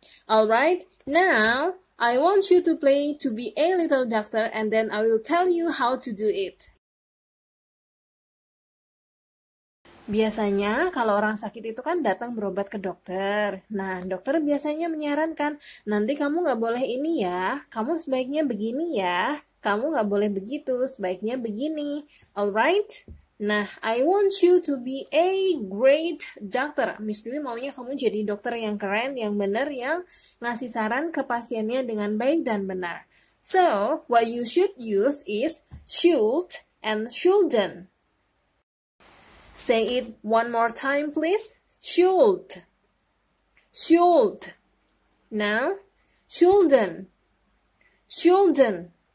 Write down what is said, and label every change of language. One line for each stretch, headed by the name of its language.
English: Alright, now I want you to play to be a little doctor, and then I will tell you how to do it.
Indonesian: Biasanya kalau orang sakit itu kan datang berobat ke dokter. Nah, dokter biasanya menyarankan, nanti kamu nggak boleh ini ya, kamu sebaiknya begini ya, kamu nggak boleh begitu, sebaiknya begini.
English: Alright?
Indonesian: Nah,
English: I want you to be a great doctor.
Indonesian: Miss Dewi maunya kamu jadi dokter yang keren, yang benar, yang ngasih saran ke pasiennya dengan baik dan benar.
English: So, what you should use is should and shouldn't. Say it one more time, please. Should. Should. Now, shouldn't. Shouldn't.